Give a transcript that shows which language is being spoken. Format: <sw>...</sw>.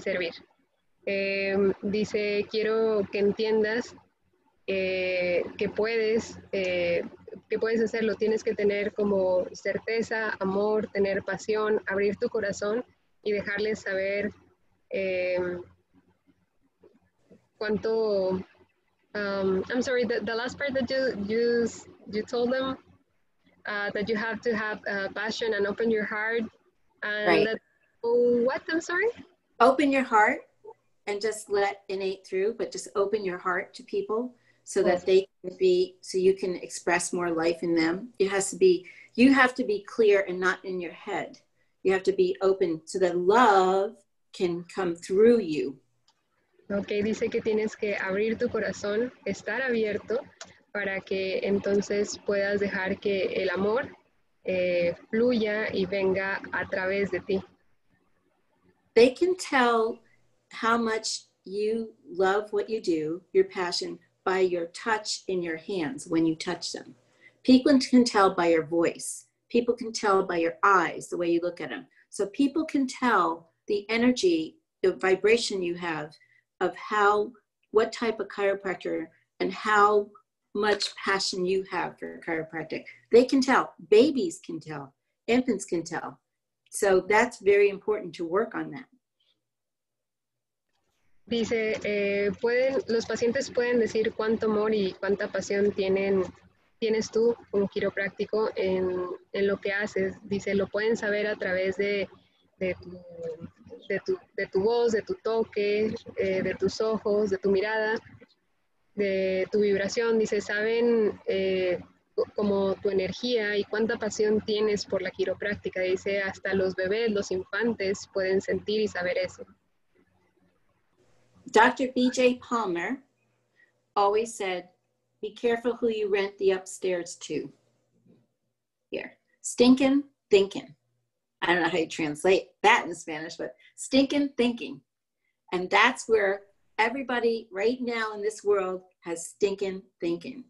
<es>servir. Dice, quiero que entiendas que puedes hacerlo. Tienes que tener como certeza, amor, tener pasión, abrir tu corazón y dejarles saber cuánto...</es> <en>I'm sorry, the last part that you told them that you have to have passion and open your heart. And right. I'm sorry? Open your heart and just let innate through, but just open your heart to people so that they can be, so you can express more life in them. It has to be, you have to be clear and not in your head. You have to be open so that love can come through you.</en> <es>Okay, dice que tienes que abrir tu corazón, estar abierto, para que entonces puedas dejar que el amor fluya y venga a través de ti.</es> <en>They can tell how much you love what you do, your passion, by your touch in your hands when you touch them. People can tell by your voice. People can tell by your eyes, the way you look at them. So people can tell the energy, the vibration you have of how, what type of chiropractor and how much passion you have for chiropractic. They can tell, babies can tell, infants can tell. So that's very important to work on that.</en> <es>Dice, pueden, los pacientes pueden decir cuánto amor y cuánta pasión tienen, tienes tú como quiropráctico en lo que haces. Dice, lo pueden saber a través de tu voz, de tu toque, de tus ojos, de tu mirada, de tu vibración. Dice, saben como tu energía y cuánta pasión tienes por la quiropráctica. Dice, hasta los bebés, los infantes pueden sentir y saber eso.</es> <en>Dr. BJ Palmer always said, be careful who you rent the upstairs to. Here, stinking, thinking. I don't know how you translate that in Spanish, but stinking thinking. And that's where everybody right now in this world has stinking thinking.</en>